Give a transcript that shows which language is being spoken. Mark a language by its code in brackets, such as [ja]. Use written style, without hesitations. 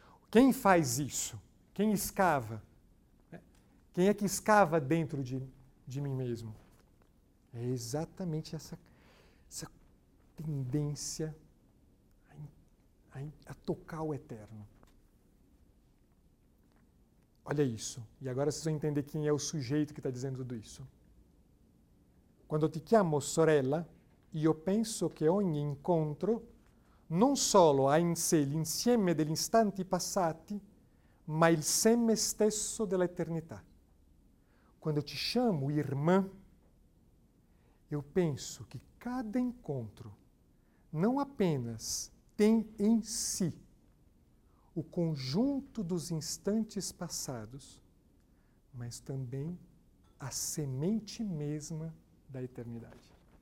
[pt] Quem faz isso? Quem escava? Quem é que escava dentro de mim mesmo? É exatamente essa tendência a tocar o eterno. Olha isso. E agora vocês vão entender quem é o sujeito que está dizendo tudo isso. [it] Quando ti chiamo sorella, io penso che ogni incontro non solo ha in sé l'insieme degli istanti passati, ma il seme stesso dell'eternità. [pt] Quando eu te chamo irmã, eu penso que cada encontro não apenas tem em si o conjunto dos instantes passados, mas também a semente mesma da eternidade.